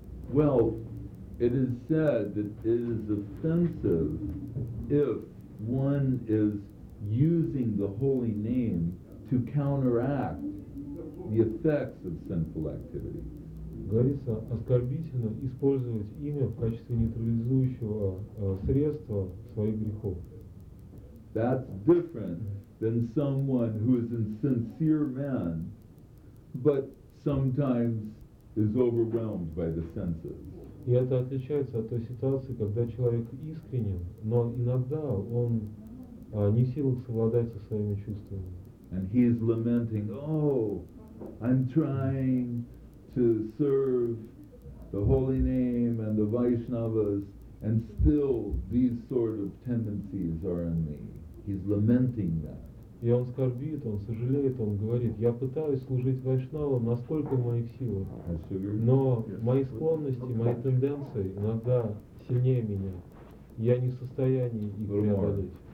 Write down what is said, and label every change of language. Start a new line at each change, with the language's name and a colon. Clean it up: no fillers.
English: Well, it is said that it is offensive if one is using the holy name to counteract the effects of sinful activity.
Russian: Говорится, оскорбительно использовать имя в качестве нейтрализующего средства своих грехов.
English: That's different than someone who is a sincere man but sometimes is overwhelmed by the senses.
Russian: И это отличается от той ситуации, когда человек искренен, но иногда он не в силах совладать со своими чувствами.
English: And he is lamenting, oh, I'm trying to serve the holy name and the Vaishnavas, and still these sort of tendencies are in me. He's lamenting that.
Russian: И он скорбит, он сожалеет, он говорит, я пытаюсь служить вайшнавам, насколько в моих силах, но мои склонности, мои тенденции иногда сильнее меня. Я не в состоянии их преодолеть.